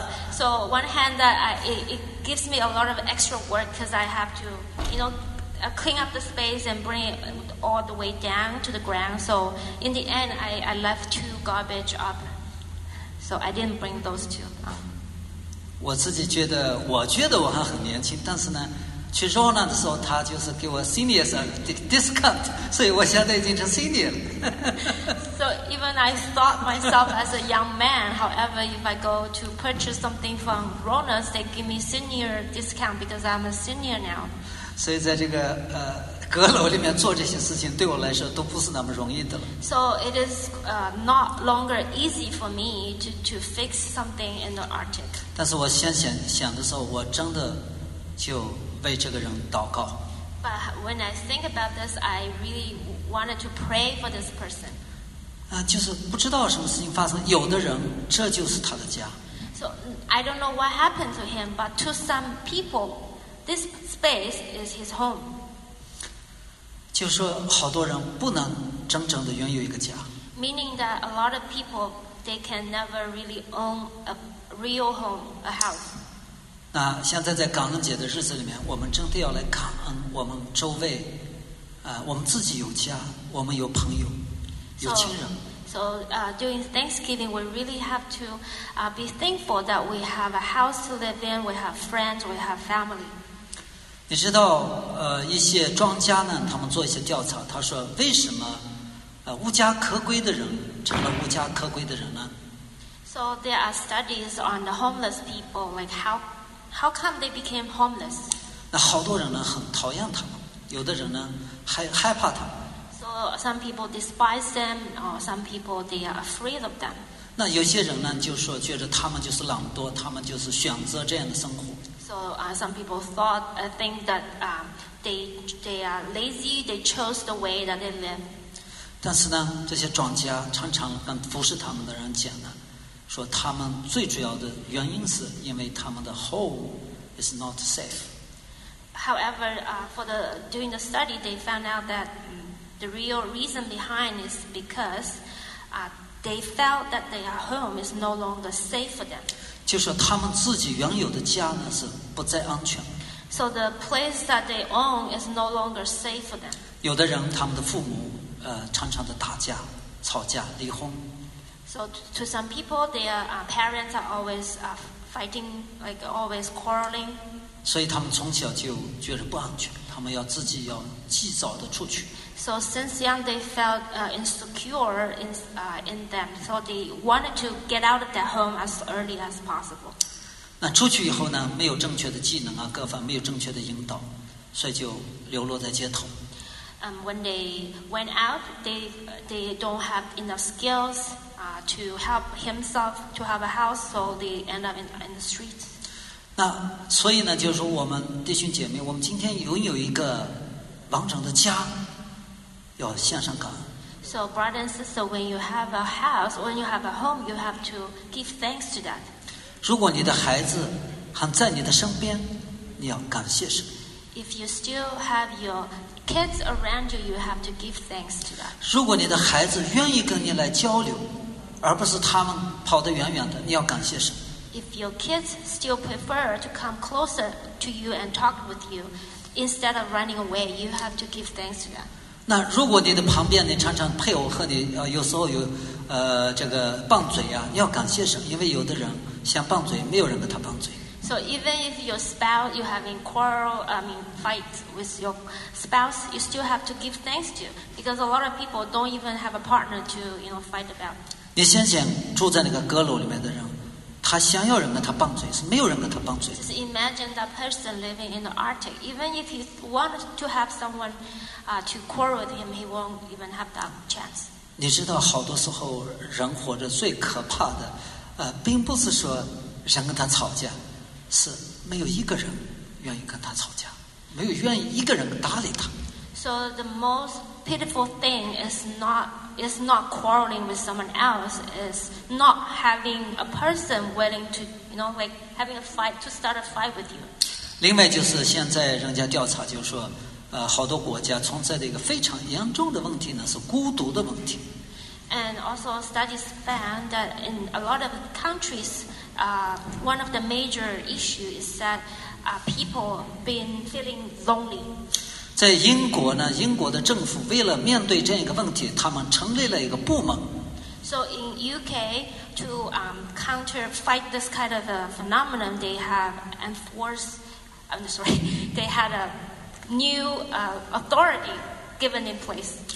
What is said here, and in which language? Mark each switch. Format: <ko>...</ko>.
<en>So one hand that it gives me a lot of extra work because I have to, you know, clean up the space and bring it all the way down to the ground. So in the end, I left 2 garbage up. So I didn't bring those 2.</en> <zh>我自己觉得，我觉得我还很年轻，但是呢。去 roll 的时候，他就是给我</zh> <en>seniors discount，</en> <zh>所以我现在已经成 senior 了。</zh> <en>So even I thought myself as a young man. However, if I go to purchase something from Rollers, they give me senior discount because I'm a senior now.</en> <zh>所以在这个阁楼里面做这些事情，对我来说都不是那么容易的了。</zh> <en>So it is not longer easy for me to fix something in the attic.</en> <zh>但是我想的时候，我真的就。为这个人祷告。</zh> <en>But when I think about this, I really wanted to pray for this person.</en> <zh>啊，就是不知道什么事情发生，有的人这就是他的家。</zh> <en>So I don't know what happened to him, but to some people, this space is his home.</en> <zh>就是说好多人不能真正的拥有一个家。</zh> <en>Meaning that a lot of people, they can never really own a real home, a house.</en> <zh>那现在在感恩节的日子里面，我们真的要来感恩我们周围，我们自己有家，我们有朋友，有亲人。</zh> <en>During Thanksgiving, we really have to be thankful that we have a house to live in, we have friends, we have family.</en> <zh>你知道，一些专家呢，他们做一些调查，他说为什么，无家可归的人成了无家可归的人呢？</zh> <en>So there are studies on the homeless people, like how come they became homeless?</en> <zh>那好多人呢，很讨厌他们，有的人呢，还害怕他们。</zh> <en>Some people despise them, or some people they are afraid of them.</en> <zh>那有些人呢，就说觉得他们就是懒惰，他们就是选择这样的生活。</zh> <en>So some people thought, think that they are lazy. They chose the way that they live.</en> <zh>但是呢，这些专家常常跟服侍他们的人讲呢，说他们最主要的原因是因为他们的</zh> <en>home is not safe. However, during the study, they found out that. The real reason behind is because they felt that their home is no longer safe for them.</en> <zh>就是他们自己原有的家呢是不再安全。</zh> <en>So the place that they own is no longer safe for them.</en> <zh>有的人他们的父母常常的打架、吵架、离婚。</zh> <en>So to some people, their parents are always fighting, like always quarreling.</en> <zh>所以他们从小就觉得不安全，他们要自己要及早的出去。</zh> <en>So since young, they felt insecure in them, so they wanted to get out of their home as early as possible.</en> <zh>那出去以后呢，没有正确的技能啊，各方没有正确的引导，所以就流落在街头。</zh> <en>When they went out, they don't have enough skills to help himself to have a house, so they end up in the streets.</en> <zh>那所以呢，就是说我们弟兄姐妹，我们今天拥有一个完整的家。要向上感恩。</zh> <en>So, brother and sister, when you have a house, when you have a home, you have to give thanks to that.</en> <zh>如果你的孩子还在你的身边，你要感谢神。</zh> <en>If you still have your kids around you, you have to give thanks to that.</en> <zh>如果你的孩子愿意跟你来交流，而不是他们跑得远远的，你要感谢神。</zh> <en>If your kids still prefer to come closer to you and talk with you instead of running away, you have to give thanks to that.</en> <zh>那如果你的旁边你常常配偶和你有时候有这个拌嘴啊，你要感谢神，因为有的人想拌嘴，没有人跟他拌嘴。</zh> <en>So even if your spouse you having quarrel, fight with your spouse, you still have to give thanks to you, because a lot of people don't even have a partner to fight about.</en> <zh>你先想住在那个阁楼里面的人，他想要人跟他拌嘴，是没有人跟他拌嘴。</zh> <en>Just imagine that person living in the Arctic. Even if he wanted to have someone. To quarrel with him, he won't even have that chance.</en> <zh>你知道，好多时候人活着最可怕的，并不是说人跟他吵架，是没有一个人愿意跟他吵架，没有愿意一个人搭理他。</zh> <en>So the most pitiful thing is not quarreling with someone else, is not having a person willing to, like having a fight to start a fight with you.</en> <zh>另外就是现在人家调查就是说。好多国家存在的一个非常严重的问题呢，是孤独的问题。</zh> <en>And also studies found that in a lot of countries, one of the major issues is that people been feeling lonely.</en> <zh>在英国呢，英国的政府为了面对这样一个问题，他们成立了一个部门。</zh> <en>So in UK to fight this kind of a phenomenon, they have enforced. I'm sorry, they had a new authority given in place.</en>